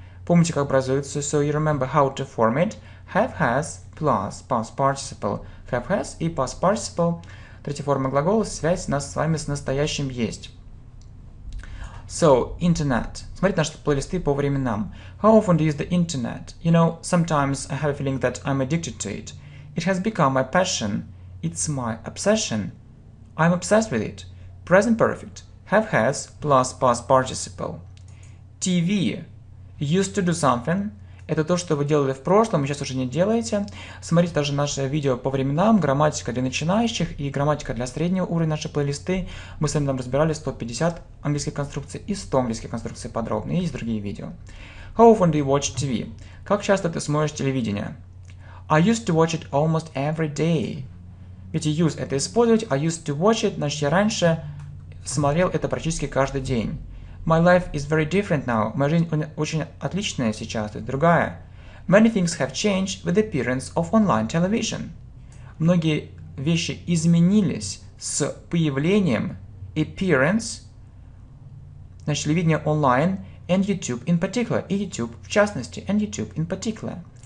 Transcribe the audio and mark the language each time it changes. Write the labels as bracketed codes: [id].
[ru] Помните, как образуется? [en] So you remember how to form it. Have has plus past participle. [ru] Have has и past participle. Третья форма глагола. Связь у нас с вами с настоящим есть. [en] So, internet. [ru] Смотрите наши плейлисты по временам. [en] How often do you use the internet? You know, sometimes I have a feeling that I'm addicted to it. It has become my passion. It's my obsession. I'm obsessed with it. Present perfect. Have has plus past participle. TV. Used to do something. [ru] Это то, что вы делали в прошлом, и сейчас уже не делаете. Смотрите даже наше видео по временам. Грамматика для начинающих и грамматика для среднего уровня наши плейлисты. Мы с вами там разбирали 150 английских конструкций и 100 английских конструкций подробно. И есть другие видео. [en] How often do you watch TV? [ru] Как часто ты смотришь телевидение? [en] I used to watch it almost every day. [ru] Ведь use это использовать, а [en] used to watch it, [ru] значит я раньше смотрел это практически каждый день. [en] My life is very different now. [ru] Моя жизнь очень отличная сейчас, то есть другая. [en] Many things have changed with the appearance of online television. [ru] Многие вещи изменились с появлением appearance, значит, телевидения онлайн, [en] and YouTube in particular, [ru] и YouTube в частности, and YouTube in particular.